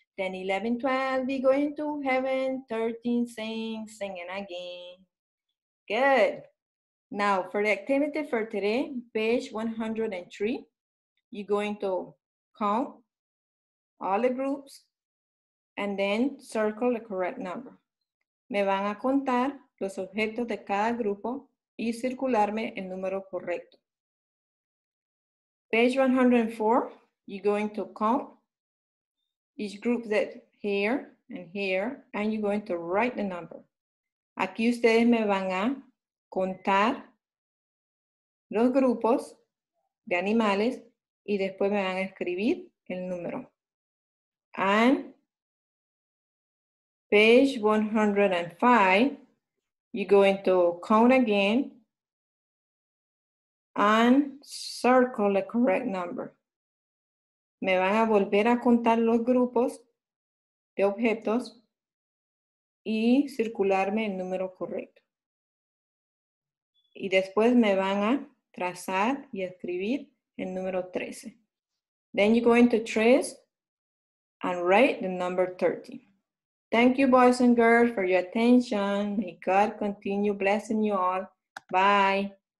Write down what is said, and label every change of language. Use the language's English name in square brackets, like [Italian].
[English] 10, 11, 12, we're going to heaven. 13, singing again. Good. Now, for the activity for today, page 103, you're going to count all the groups and then circle the correct number. [Spanish] Me van a contar los objetos de cada grupo y circularme el número correcto. [English] Page 104, you're going to count each group that here and here, and you're going to write the number. [Spanish] Aquí ustedes me van a contar los grupos de animales y después me van a escribir el número. [English] And page 105, you're going to count again and circle the correct number. [Spanish] Me van a volver a contar los grupos de objetos y circularme el número correcto. Y después me van a trazar y escribir el número 13. [English] Then you're going to trace and write the number 13. Thank you, boys and girls, for your attention. May God continue blessing you all. Bye.